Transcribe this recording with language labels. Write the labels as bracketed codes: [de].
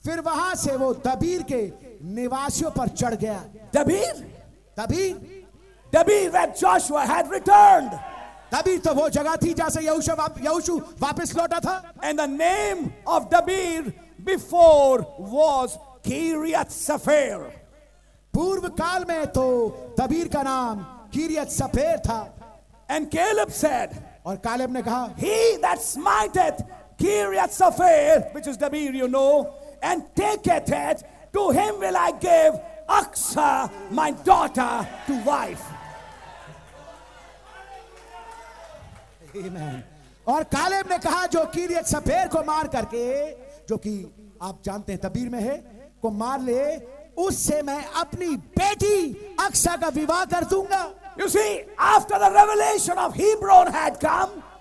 [hi] fir wahan se wo Debir ke nivasiyon par chad gaya [en] Debir where Joshua had returned [hi] Debir to wo jagah thi jahan se Yahushua wapas lauta tha [en] and the name of Debir before was Kiriath Sefer [hi] पूर्व काल में तो तबीर का नाम किरियत सफेर था [en] And Caleb said, [hi] और Caleb ने कहा [en] He that smiteth Kiriath Sefer, which is Debir, you know, and taketh it, to him will I give Aksa, my daughter, to wife. Amen. [hi] और कालेब ने कहा जो किरियत सफेर को मार करके जो कि आप जानते हैं तबीर में है को मार ले उससे मैं अपनी बेटी अक्षा का विवाह कर दूंगा [en] you see after the revelation of Hebron had come